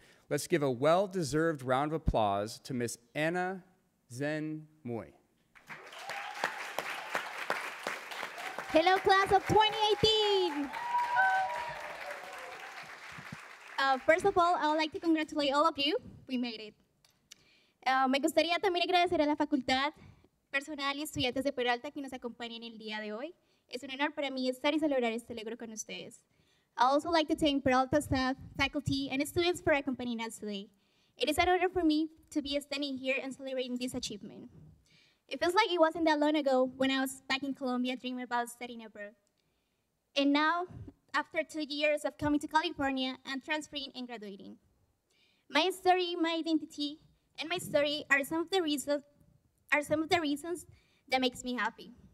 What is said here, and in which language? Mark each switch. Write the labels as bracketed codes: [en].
[en] Let's give a well-deserved round of applause to Miss Anna Zen Moy. Hello, class of 2018. First of all, I would like to congratulate all of you. We made it. [es] Me gustaría también agradecer a la facultad, personal y estudiantes de Peralta que nos acompañan el día de hoy. Es un honor para mí estar y celebrar este logro con ustedes. [en] I also like to thank Peralta staff, faculty, and students for accompanying us today. It is an honor for me to be standing here and celebrating this achievement. It feels like it wasn't that long ago when I was back in Colombia dreaming about studying abroad. And now, after 2 years of coming to California and transferring and graduating, my story, my identity, and my story are some of the reasons that makes me happy.